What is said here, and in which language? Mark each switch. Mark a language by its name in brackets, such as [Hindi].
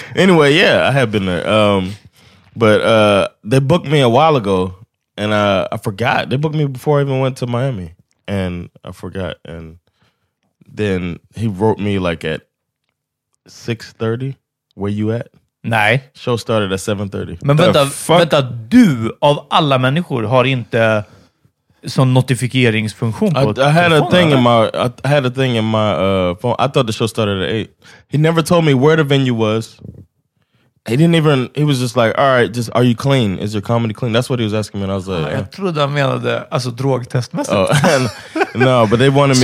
[English] Anyway, yeah, I have been there. But they booked me a while ago, and I forgot. They booked me before I even went to Miami, and I forgot. And then he wrote me like at 6:30. Where you at? [Swedish] Nej. [English] Show started at 7:30. [Swedish] Men vänta, du av alla människor har inte sån notifikeringsfunktion på telefonen. [English] I had a thing in my phone. I thought the show started at 8. He never told me where the venue was. He was just like, all right, just, are you clean? Is your comedy clean? That's what he was asking me. And I was like, [Swedish] jag trodde han menade, alltså drogtestmässigt. Oh, [English] no, but they wanted me